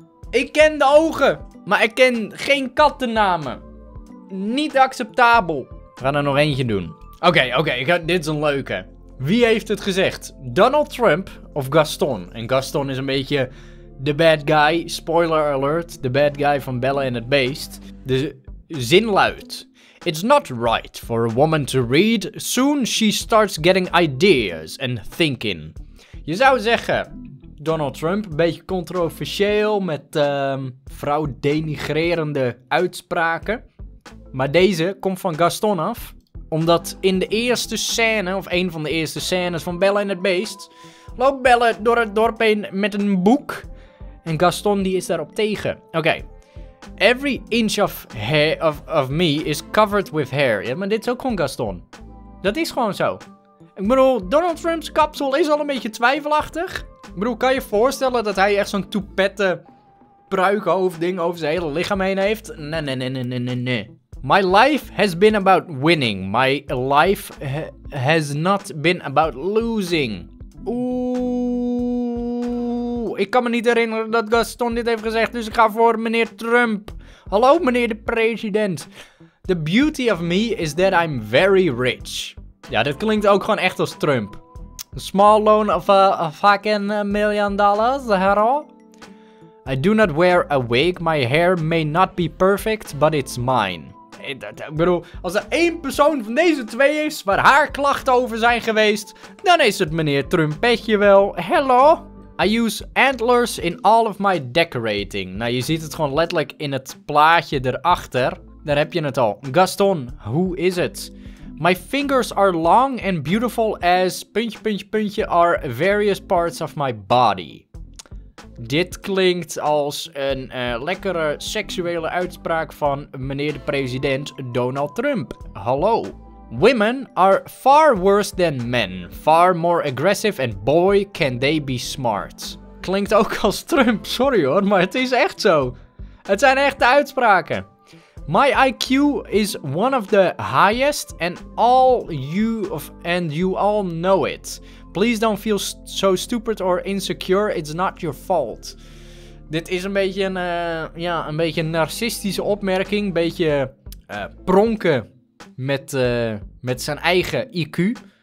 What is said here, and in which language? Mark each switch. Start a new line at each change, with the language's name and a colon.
Dutch: Ik ken de ogen. Maar ik ken geen kattennamen. Niet acceptabel. We gaan er nog eentje doen. Oké. Dit is een leuke. Wie heeft het gezegd? Donald Trump of Gaston? En Gaston is een beetje de bad guy.
English: Spoiler alert.
Dutch: De bad guy van Bella en het Beest. De zin luidt.
English: It's not right for a woman to read. Soon she starts getting ideas and thinking.
Dutch: Je zou zeggen, Donald Trump, een beetje controversieel met vrouwdenigrerende uitspraken. Maar deze komt van Gaston af. Omdat in de eerste scène, of een van de eerste scènes van Belle en het Beest, loopt Belle door het dorp heen met een boek. En Gaston die is daarop tegen. Oké.
English: Every inch of hair of me is covered with hair.
Dutch: Ja, maar dit is ook gewoon Gaston. Dat is gewoon zo. Ik bedoel, Donald Trump's kapsel is al een beetje twijfelachtig. Ik bedoel, kan je voorstellen dat hij echt zo'n toupette pruikhoofdding over zijn hele lichaam heen heeft? Nee.
English: My life has been about winning. My life has not been about losing. Oeh.
Dutch: Ik kan me niet herinneren dat Gaston dit heeft gezegd, dus ik ga voor meneer Trump. Hallo, meneer de president.
English: The beauty of me is that I'm very rich.
Dutch: Ja, dat klinkt ook gewoon echt als Trump.
English: A small loan of a fucking million dollars, hero. I do not wear a wig. My hair may not be perfect, but it's mine.
Dutch: Ik bedoel, als er één persoon van deze twee is waar haar klachten over zijn geweest, dan is het meneer Trumpetje wel. Hello.
English: I use antlers in all of my decorating.
Dutch: Nou, je ziet het gewoon letterlijk in het plaatje erachter. Daar heb je het al.
English: Gaston, who is it? My fingers are long and beautiful as...
Dutch: puntje, puntje, puntje,
English: are various parts of my body.
Dutch: Dit klinkt als een lekkere seksuele uitspraak van meneer de president Donald Trump.
English: Hallo. Women are far worse than men. Far more aggressive and boy can they be smart.
Dutch: Klinkt ook als Trump, sorry hoor, maar het is echt zo. Het zijn echte uitspraken.
English: My IQ is one of the highest and you all know it. Please don't feel so stupid or insecure. It's not your fault.
Dutch: Dit is een beetje een narcistische opmerking. Een beetje pronken met zijn eigen IQ.